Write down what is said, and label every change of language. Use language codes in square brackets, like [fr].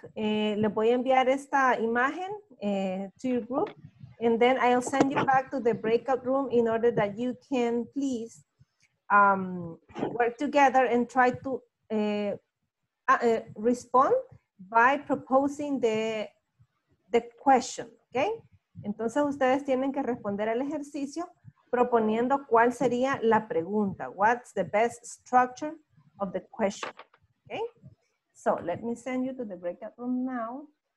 [es] Le voy a enviar esta imagen [en] to your group. And then I'll send you back to the breakout room in order that you can please work together and try to respond by proposing the question, okay? [es] Entonces ustedes tienen que responder al ejercicio proponiendo cuál sería la pregunta. [en] What's the best structure of the question, okay? So let me send you to the breakout room now.